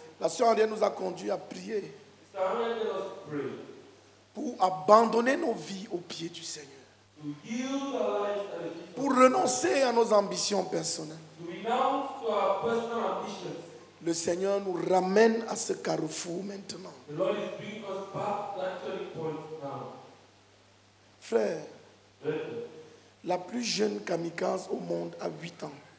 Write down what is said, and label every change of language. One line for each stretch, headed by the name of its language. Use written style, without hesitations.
French: la sœur Ariane nous a conduit à prier
English: pray,
French: pour abandonner nos vies aux pieds du Seigneur,
English: to yield our lives and feet
French: pour renoncer à nos ambitions personnelles.
English: To renounce to our personal ambitions.
French: Le Seigneur nous ramène à ce carrefour maintenant.
English: The Lord is bringing us back to that turning point now.
French: Frère, la plus jeune kamikaze au monde a 8 ans.